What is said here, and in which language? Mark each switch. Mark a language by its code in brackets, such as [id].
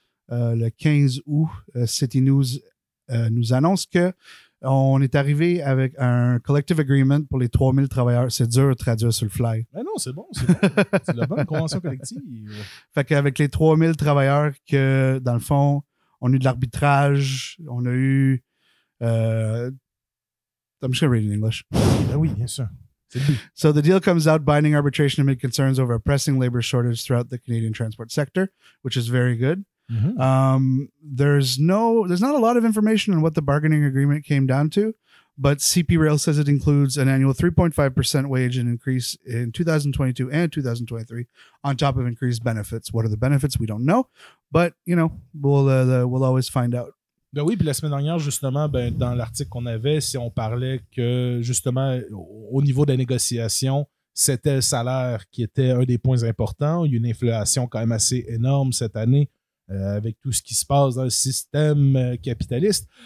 [fr] Le 15 août, City News nous annonce que on est arrivé avec un [en] collective agreement [fr] pour les 3000 travailleurs. C'est dur de traduire sur le fly. Mais non, c'est bon. C'est bon. C'est la bonne convention collective. Fait qu'avec les 3000 travailleurs que, dans le fond, on a eu de l'arbitrage, on a eu... [en] I'm just gonna read it in English. [fr] Ben oui, bien sûr. [en] So the deal comes out binding arbitration amid concerns over a pressing labor shortage throughout the Canadian transport sector, which is very good. Mm-hmm. There's not a lot of information on what the bargaining agreement came down to, but CP Rail says it includes an annual 3.5% wage and increase in 2022 and 2023 on top of increased benefits. What are the benefits? We don't know, but you know, we'll always find out. [fr] Ben oui, puis la semaine dernière, justement, ben, dans l'article qu'on avait, si on parlait que, justement, au niveau de la négociation, c'était le salaire qui était un des points importants. Il y a une inflation quand même assez énorme cette année avec tout ce qui se passe dans le système capitaliste.